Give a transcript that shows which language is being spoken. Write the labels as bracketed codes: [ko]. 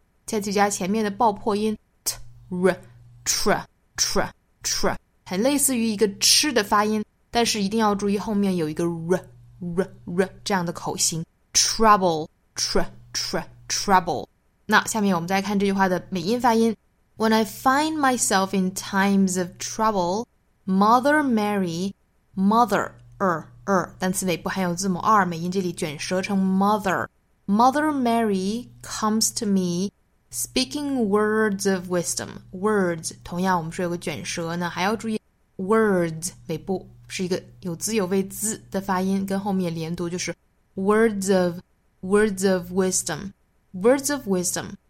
[zh] 再去加前面的爆破音 t r tr tr tr， 很类似于一个吃的发音，但是一定要注意后面有一个 r r r 这样的口型 trouble tr tr trouble。那下面我们再看这句话的美音发音。 [en] When I find myself in times of trouble, Mother Mary, mother r r [zh] 单词尾部含有字母 r， 美音这里卷舌成 [en] mother， Mother Mary comes to meSpeaking words of wisdom. [zh] Words 同样我们说有个卷舌呢，还要注意 words 尾部是一个有滋有味滋的发音，跟后面连读就是 [en] words of words of wisdom [zh] words of wisdom。